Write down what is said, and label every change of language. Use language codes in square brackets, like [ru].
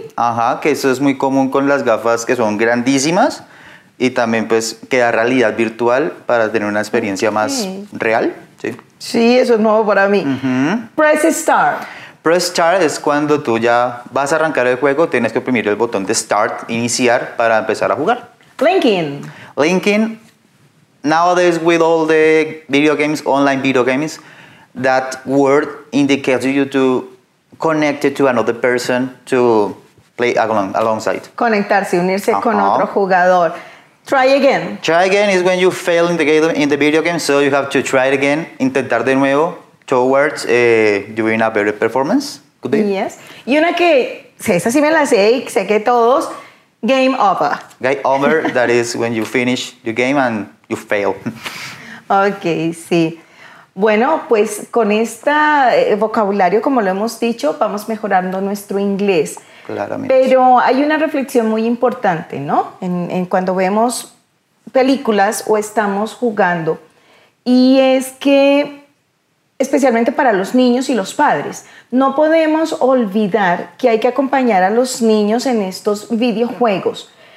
[es] Ajá, que eso es muy común con las gafas que son grandísimas y también pues queda realidad virtual para tener una experiencia más real. Sí, sí, eso es nuevo para mí. Uh-huh. [en] Press Start. [es] Press Start es cuando tú ya vas a arrancar el juego, tienes que oprimir el botón de Start, iniciar, para empezar a jugar. [en] Linking. Linking, nowadays with all the video games, online video games, that word indicates you to connect it to another person to play alongside. [es] Conectarse, unirse con otro jugador. [en] Try again. Try again is when you fail in the video game, so you have to try it again, [es] intentar de nuevo [en] towards doing a better performance. Could be. Yes. [es] Y una que, esa sí me la sé y sé que todos, [en] game over. Game over, that is when you finish the game and you fail. Okay, [es] sí. Bueno, pues con este vocabulario, como lo hemos dicho, vamos mejorando nuestro inglés. Claramente. Pero hay una reflexión muy importante, ¿no? En cuando vemos películas o estamos jugando. Y es que, especialmente para los niños y los padres, no podemos olvidar que hay que acompañar a los niños en estos videojuegos.